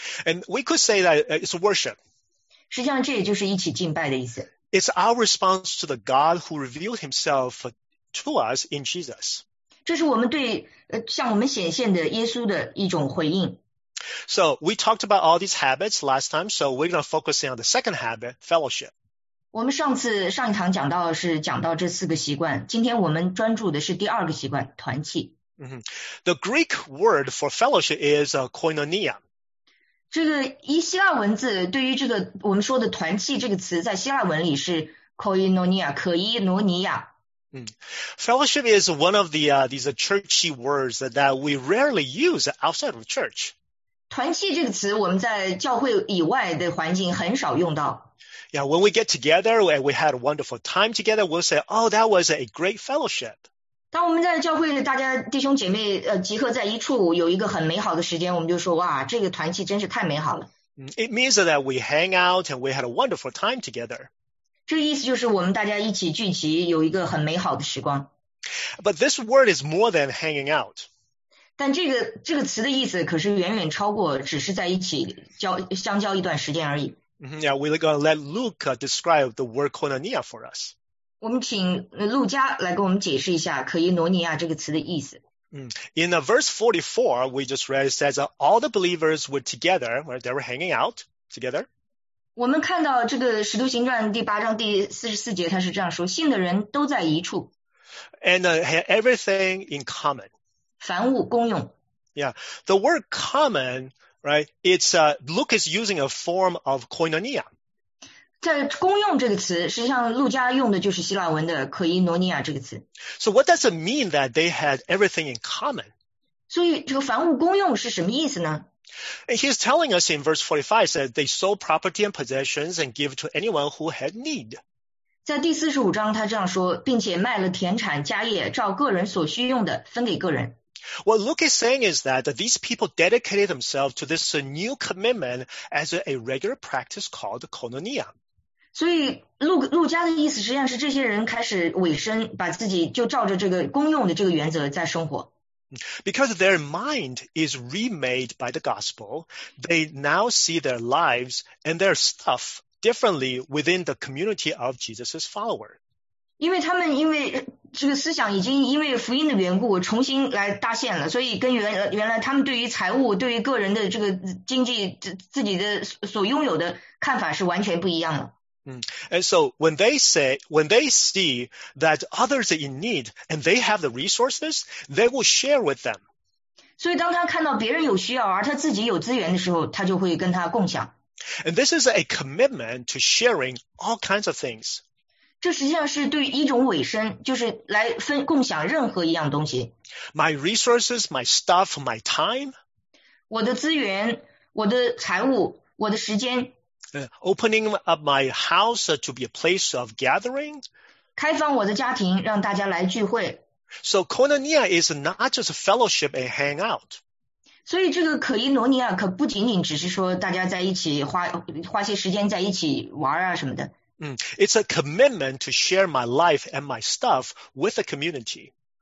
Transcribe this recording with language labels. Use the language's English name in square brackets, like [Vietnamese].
[English] And we could say that it's worship. [Chinese] 实际上这也就是一起敬拜的意思。 [English] It's our response to the God who revealed himself to us in Jesus. [Chinese] 这是我们对向我们显现的耶稣的一种回应。 [English] So we talked about all these habits last time, so we're going to focus in on the second habit, fellowship. [Chinese] 我们上次上一堂讲到是讲到这四个习惯，今天我们专注的是第二个习惯，团契。 Mm-hmm. [English] The Greek word for fellowship is koinonia. [Chinese] 这个以希腊文字对于这个我们说的团契这个词在希腊文里是 koinonia, 可伊诺尼亚。 [English] Fellowship is one of the, these churchy words that we rarely use outside of church. [Chinese] 团契这个词我们在教会以外的环境很少用到。 [English] Yeah, when we get together and we had a wonderful time together, we'll say, oh, that was a great fellowship. [Chinese] 当我们在教会大家弟兄姐妹集合在一处有一个很美好的时间，我们就说哇，这个团契真是太美好了。 [English] It means that we hang out and we had a wonderful time together. [Chinese] 这意思就是我们大家一起聚集有一个很美好的时光。 [English] But this word is more than hanging out. [Chinese] 但这个词的意思可是远远超过只是在一起相交一段时间而已。 [English] Yeah, we're going to let Luke describe the word koinonia for us. [Chinese] 我们请路加来给我们解释一下可伊诺尼亚这个词的意思。 [English] In verse 44, we just read, it says, all the believers were together, they were hanging out together. [Chinese] 我们看到这个使徒行传第八章第四十四节它是这样说，信的人都在一处。 [English] And had everything in common. [Chinese] 凡物公用。 [English] Yeah, the word common... Right, it's, Luke is using a form of koinonia. [Chinese] 在公用这个词，实际上路加用的就是希腊文的可伊诺尼亚这个词。 [English] So what does it mean that they had everything in common? [Chinese] 所以这个凡物公用是什么意思呢？ [English] And he's telling us in verse 45, that they sold property and possessions and give to anyone who had need. [Chinese] 在第45章他这样说，并且卖了田产家业，照个人所需用的分给个人。 [English] What Luke is saying is that these people dedicated themselves to this new commitment as a regular practice called koinonia. [Chinese] 所以路加的意思实际上是这些人开始委身，把自己就照着这个公用的这个原则在生活。 [English] Because their mind is remade by the gospel, they now see their lives and their stuff differently within the community of Jesus' followers. [Chinese] 因为他们因为这个思想已经因为福音的缘故重新来搭线了，所以跟原来他们对于财务对于个人的这个经济自己的所拥有的看法是完全不一样的。 [English] And so when they see that others are in need and they have the resources, they will share with them. [Chinese] 所以当他看到别人有需要而他自己有资源的时候，他就会跟他共享。 [English] And this is a commitment to sharing all kinds of things. [Chinese] 这实际上是对一种委身，就是来分共享任何一样东西。 [English] My resources, my stuff, my time. [Chinese] 我的资源，我的财务，我的时间。 [English] Opening up my house to be a place of gathering. [Chinese] 开放我的家庭，让大家来聚会。 [English] So koinonia is not just a fellowship and hangout. [Chinese] 所以这个可伊诺尼亚可不仅仅只是说大家在一起花些时间在一起玩啊什么的。 [English] It's a commitment to share my life and my stuff with the community.